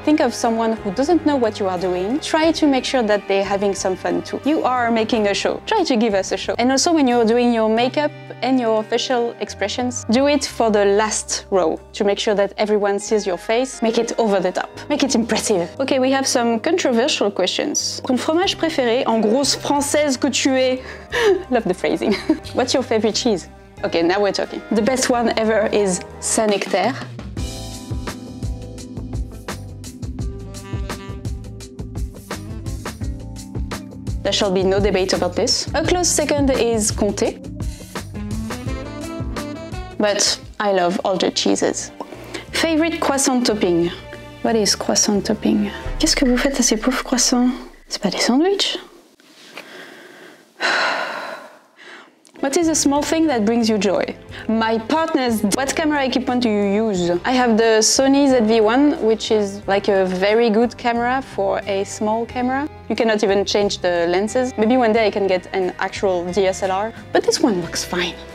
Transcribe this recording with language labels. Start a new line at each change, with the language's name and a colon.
English: Think of someone who doesn't know what you are doing. Try to make sure that they're having some fun too. You are making a show. Try to give us a show. And also when you're doing your makeup and your facial expressions, do it for the last row to make sure that everyone sees your face. Make it over the top. Make it impressive. Okay, we have some controversial questions.
French: Ton fromage préféré, en grosse française que tu es.
English: Love the phrasing. What's your favorite cheese? Okay, now we're talking. The best one ever is Saint Nectaire. There shall be no debate about this. A close second is Comté. But I love all the cheeses. Favorite croissant topping? What is croissant topping?
French: Qu'est-ce que vous faites à ces pauvres croissants? C'est pas des sandwichs?
English: What is a small thing that brings you joy? My partners, what camera equipment do you use? I have the Sony ZV-1, which is like a very good camera for a small camera. You cannot even change the lenses. Maybe one day I can get an actual DSLR, but this one looks fine.